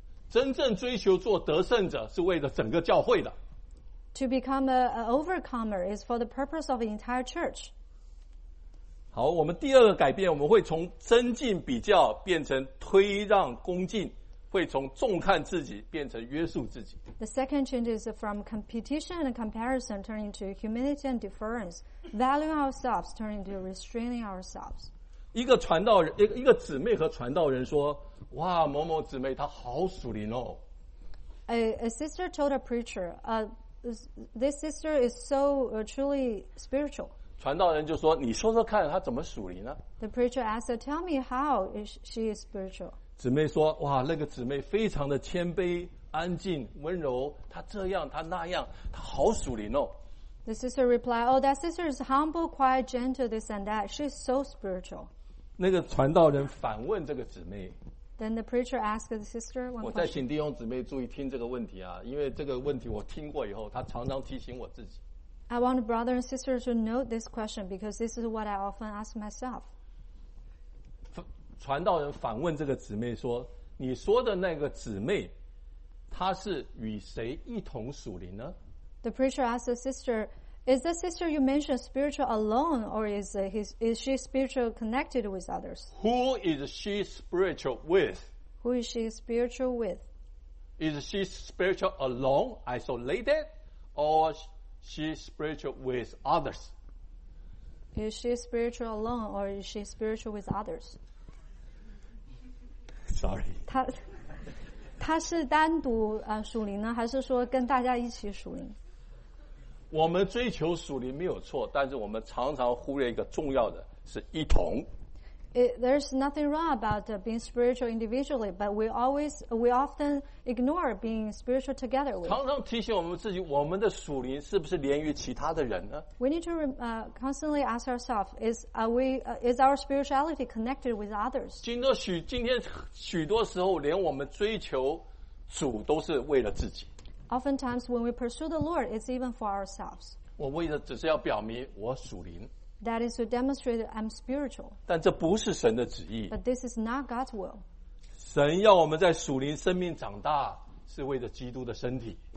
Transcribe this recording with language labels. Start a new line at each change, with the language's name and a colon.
Chinese: 真正追求做得胜者，是为了整个教会的。
English: To become an overcomer is for the purpose of the entire church.
Chinese: 好，我们第二个改变，我们会从增进比较变成推让恭敬，会从重看自己变成约束自己。
English: The second change is from competition and comparison turning to humility and deference, valuing ourselves turning to restraining ourselves.
Chinese: 一个传道人，一个姊妹和传道人说：“哇，某某姊妹她好属灵哦。”
English: A sister told a preacher, This sister is so truly spiritual.
Chinese: 传道人就说：“你说说看，她怎么属灵呢？”
English: The preacher asked, "Tell me how she is spiritual."
Chinese: 姊妹说：“哇，那个姊妹非常的谦卑、安静、温柔。她这样，她那样，她好属灵哦。”
English: The sister replied, "Oh, that sister is humble, quiet, gentle, this and that. She's so spiritual."
Chinese: 那个传道人反问这个姊妹。
English: Then the preacher asked the sister one question.
Chinese: 我再请弟兄姊妹注意听这个问题啊，因为这个问题我听过以后，他常常提醒我自己。
English: I want brother and sister to note this question because this is what I often ask myself.
Chinese: 传道人反问这个姊妹说：“你说的那个姊妹，她是与谁一同属灵呢？”
English: The preacher asked the sister, "Is the sister you mentioned spiritual alone, or is she spiritual connected with others?" Who is she spiritual with? Who is she spiritual with? Is she spiritual alone, isolated, or she spiritual with others? Is she spiritual alone, or is she spiritual with others? Sorry.
Chinese: 她是单独属灵呢，还是说跟大家一起属灵？我们追求属灵没有错，但是我们常常忽略一个重要的，是一同。
English: There's nothing wrong about being spiritual individually, but we often ignore being spiritual together.
Chinese: 常常提醒我们自己，我们的属灵是不是连于其他的人呢
English: ？We need to constantly ask ourselves: is our spirituality connected with others?
Chinese: 今天许多时候，连我们追求主都是为了自己。
English: Oftentimes, when we pursue the Lord, it's even for ourselves.
Chinese: 我为的只是要表明我属灵。
English: That is to demonstrate that I'm spiritual.
Chinese: 但这不是神的旨意。
English: But this is not God's will.
Chinese: 神要我们在属灵生命长大，是为着基督的身体。